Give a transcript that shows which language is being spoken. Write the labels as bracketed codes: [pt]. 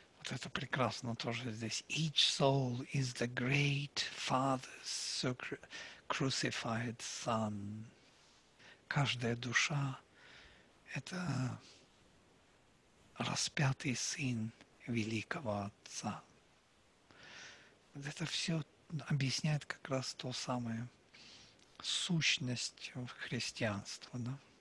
[ru] Это прекрасно тоже здесь. [en] Each soul is the great father's crucified son. [ru] Каждая душа – это распятый сын великого отца. Вот это все объясняет как раз то самое сущность христианства. Да?